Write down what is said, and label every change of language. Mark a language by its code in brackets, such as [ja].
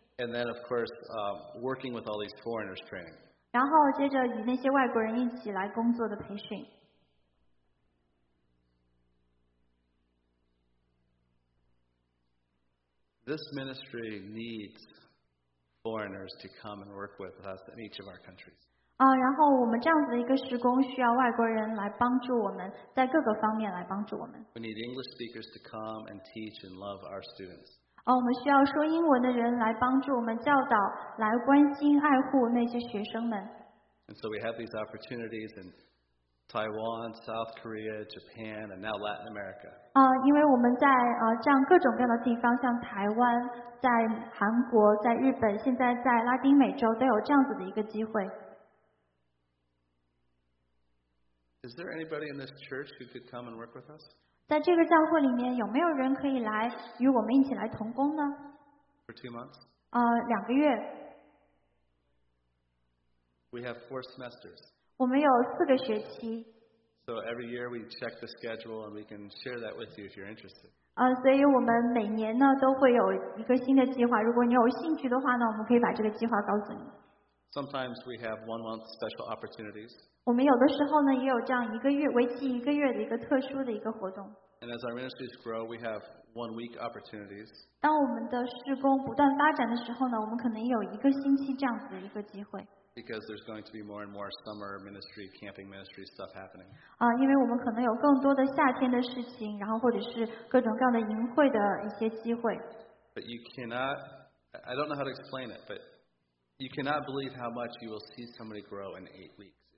[en] And then of course, working with all these foreigners training. [zh] 然后接着与那些外国人一起来工作的培训。 [en] This ministry needs foreigners to come and work with us in each of our countries. [zh] 啊，然后我们这样子的一个事工需要外国人来帮助我们，在各个方面来帮助我们。 [en] We need English speakers to come and teach and love our students. [zh] 哦、我们需要说英文的人来帮助我们教导来关心爱护那些学生们 [en] and so we have these opportunities in Taiwan, South Korea, Japan and now Latin America、 [zh] 因为我们在、这样各种各样的地方像台湾在韩国在日本现在在拉丁美洲都有这样子的一个机会 [en] Is there anybody in this church who could come and work with us? [zh] 在这个教会里面有没有人可以来与我们一起来同工呢 [en] ？For 2 months. [zh] 两个月。 [en] We have 4 semesters. [zh] 我们有四个学期。 [en] So every year we check the schedule and we can share that with you if you're interested. [zh] 所以我们每年呢都会有一个新的计划。如果你有兴趣的话呢，我们可以把这个计划告诉你。 [en] Sometimes we have 1 month special opportunities. [zh] 我们有的时候呢，也有这样一个月，为期一个月的一个特殊的一个活动。 [en] And as our ministries grow, we have 1 week opportunities. [zh] 当我们的事工不断发展的时候呢，我们可能有一个星期这样子的一个机会。 [en] Because there's going to be more and more summer ministry, camping ministry stuff happening. [zh] 因为我们可能有更多的夏天的事情，然后或者是各种各样的营会的一些机会。 [en] But you cannot, I don't know how to explain it, but you cannot believe how much you will see somebody grow in 8 weeks.